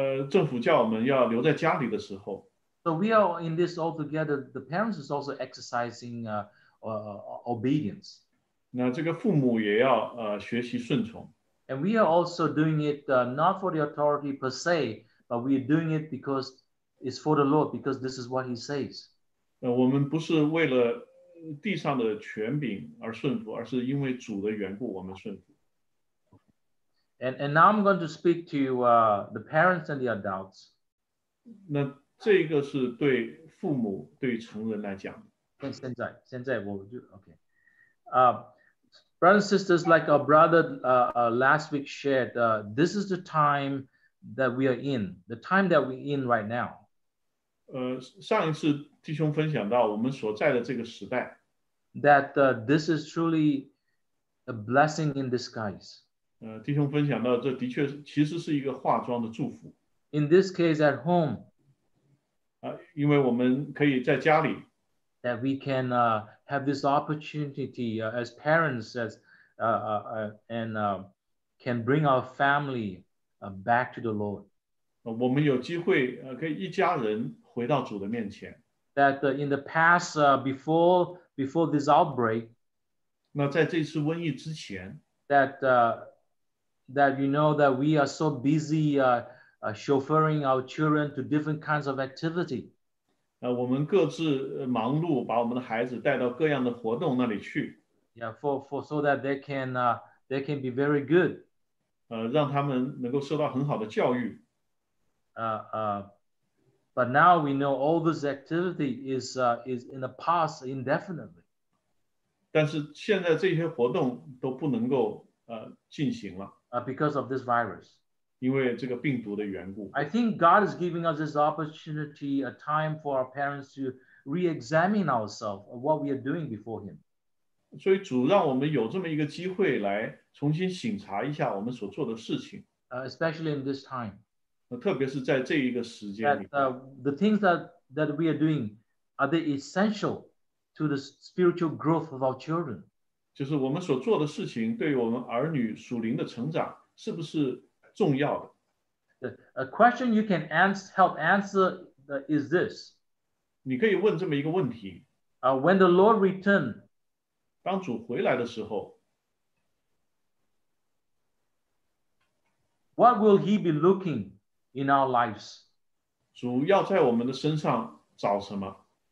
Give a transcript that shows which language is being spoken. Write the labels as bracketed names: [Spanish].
[Chinese] 政府叫我们要留在家里的时候。 [English] So we are in this all together, the parents is also exercising obedience. [Chinese] 那这个父母也要学习顺从。 [English] And we are also doing it not for the authority per se, but we are doing it because it's for the Lord, because this is what he says. [Chinese] 我们不是为了地上的权柄而顺服，而是因为主的缘故我们顺服。 [English] And now I'm going to speak to the parents and the adults. [Chinese] 那这个是对父母对成人来讲。现在我就 okay. [English] Brothers and sisters, like our brother last week shared, this is the time that we are in, the time that we're in right now. [Chinese] 上一次弟兄分享到我们所在的这个时代。 [English] That this is truly a blessing in disguise. [Chinese] 弟兄分享到这的确其实是一个化妆的祝福。 [English] In this case at home. [Chinese] 因为我们可以在家里。 [English] That we can have this opportunity as parents can bring our family back to the Lord. [Chinese] 我们有机会可以一家人回到主的面前。 [English] That in the past, before this outbreak, [Chinese] 那在这次瘟疫之前, [English] that you know that we are so busy chauffeuring our children to different kinds of activity. [Chinese] 我们各自忙碌，把我们的孩子带到各样的活动那里去。 [English] Yeah, for so that they can be very good. [Chinese] 让他们能够受到很好的教育。 [English] But now we know all this activity is in the past indefinitely. [Chinese] 但是现在这些活动都不能够进行了。 [English] Because of this virus. [Chinese] 因为这个病毒的缘故。 [English] I think God is giving us this opportunity, a time for our parents to re-examine ourselves of what we are doing before Him. [Chinese] 所以主让我们有这么一个机会来重新省察一下我们所做的事情。 [English] Especially in this time. [Chinese] 特别是在这一个时间里 [English] that, the things that we are doing are they essential to the spiritual growth of our children? [Chinese] 就是我们所做的事情对我们儿女属灵的成长是不是重要的? [English] A question you can help answer is this. [Chinese] 你可以问这么一个问题。 [English] When the Lord returns, [Chinese] 当主回来的时候, [English] what will he be looking for? In our lives. [Chinese] 主要在我们的身上找什么?